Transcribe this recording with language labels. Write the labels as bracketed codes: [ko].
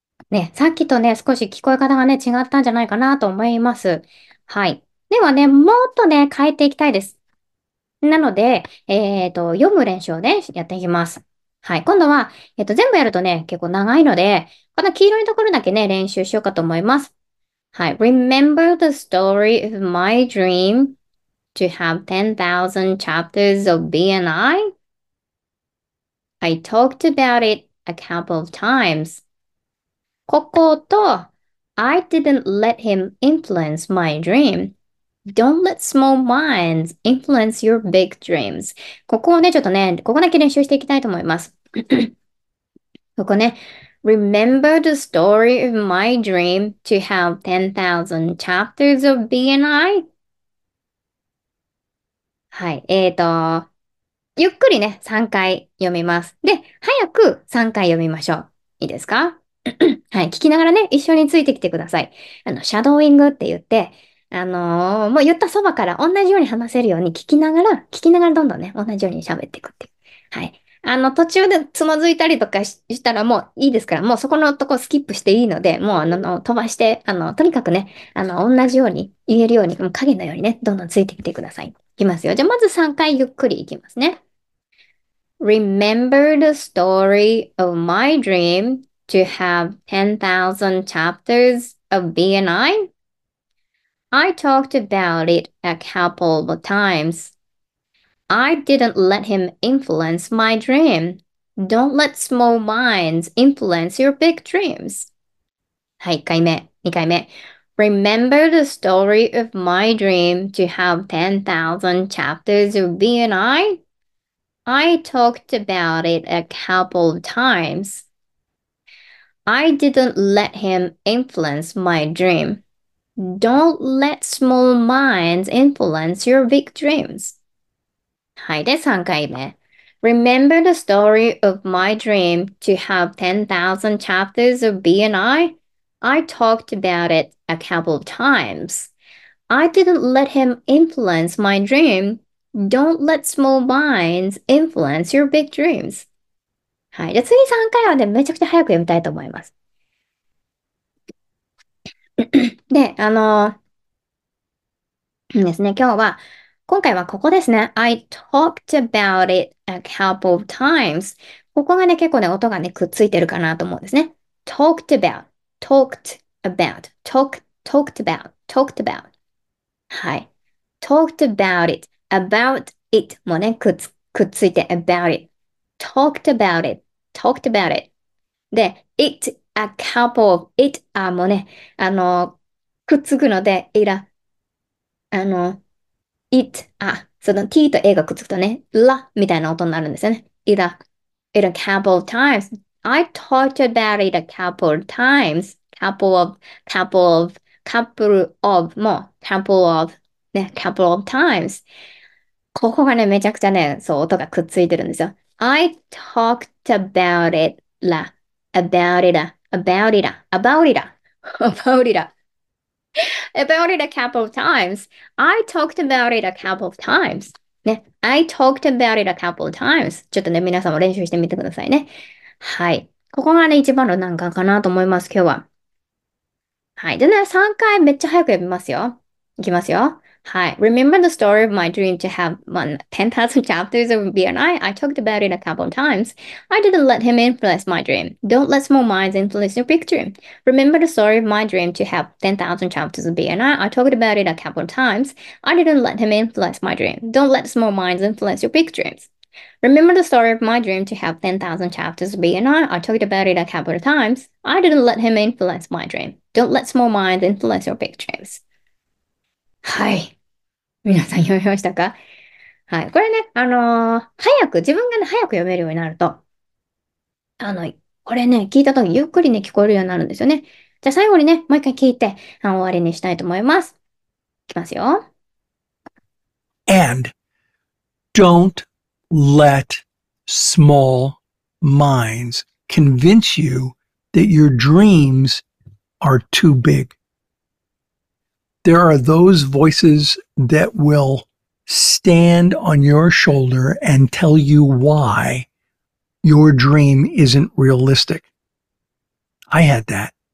[ja] ね、さっきとね、少し聞こえ方がね、違ったんじゃないかなと思います。はい。ではね、もっとね、変えていきたいです。なので、読む練習をね、やっていきます。はい。今度は、全部やるとね、結構長いので、この黄色いところだけね、練習しようかと思います。はい。 [en] Remember the story of my dream to have 10,000 chapters of BNI? I talked about it a couple of times. [ja] ここと、 [en] I didn't let him influence my dream. Don't let small minds influence your big dreams. [ja] ここをね、ちょっとね、ここだけ練習していきたいと思います。ここね、 [en] Remember the story of my dream to have 10,000 chapters of BNI? [ja] はい、ゆっくりね、3回読みます。で、早く3回読みましょう。いいですか？はい、聞きながらね、一緒についてきてください。あの、シャドーイングって言って、もう言ったそばから同じように話せるように聞きながら、聞きながらどんどんね、同じように喋っていくっていう。はい。あの、途中でつまずいたりとかしたらもういいですから、もうそこのとこスキップしていいので、もうあの、飛ばして、あの、とにかくね、あの、同じように言えるように、もう影のようにね、どんどんついてきてください。いきますよ。じゃあまず3回ゆっくりいきますね。 [en] Remember the story of my dream to have 10,000 chapters of BNI? I talked about it a couple of times. I didn't let him influence my dream. Don't let small minds influence your big dreams. [ja] はい、1回目、2回目。 [en] Remember the story of my dream to have 10,000 chapters of BNI? I talked about it a couple of times. I didn't let him influence my dream. Don't let small minds influence your big dreams. [ja] はい、で、3回目。 [en] Remember the story of my dream to have 10,000 chapters of BNI? I talked about it a couple of times. I didn't let him influence my dream. Don't let small minds influence your big dreams. [ja] はい、で、次3回はね、めちゃくちゃ早く読みたいと思います。で、ですね、今回はここですね。 [en] I talked about it a couple of times. [ja] ここがね、結構ね、音がね、くっついてるかなと思うんですね。 [en] talked about, talked about, talked, talked about, talked about. [ja] はい。 [en] talked about it, about it [ja] もね、くっついて、 [en] about it. talked about it, talked about it. [ja] で、 [en] it, a couple of it, [ja] もね、くっつくので、いら、it, その t と a がくっつくとね、la みたいな音になるんですよね。 [en] いら、it a couple of times. I talked about it a couple of times. couple of も、couple of ね、couple of times. [ja] ここがね、めちゃくちゃね、そう音がくっついてるんですよ。 [en] I talked about it la, about it a, about it a, about it a, about it a. About it a couple of times. I talked about it a couple of times. [ja] ね。 [en] I talked about it a couple of times. [ja] ちょっとね、皆さんも練習してみてくださいね。はい。ここがね、一番の難関かなと思います、今日は。はい。でね、3回めっちゃ早く読みますよ。いきますよ。はい。 [en] Remember the story of my dream to have 10,000 chapters of BNI? I talked about it a couple of times. I didn't let him influence my dream. Don't let small minds influence your big dream. Remember the story of my dream to have 10,000 chapters of BNI? I talked about it a couple of times. I didn't let him influence my dream. Don't let small minds influence your big dreams. Remember the story of my dream to have 10,000 chapters of BNI? I talked about it a couple of times. I didn't let him influence my dream. Don't let small minds influence your big dreams. [ja] はい。皆さん読みましたか？はい。これね、早く、自分がね、早く読めるようになると、これね、聞いたとき、ゆっくりね、聞こえるようになるんですよね。じゃあ、最後にね、もう一回聞いて、終わりにしたいと思います。いきますよ。 [en] And don't let small minds convince you that your dreams are too big. There are those voices that will stand on your shoulder and tell you why your dream isn't realistic. I had that.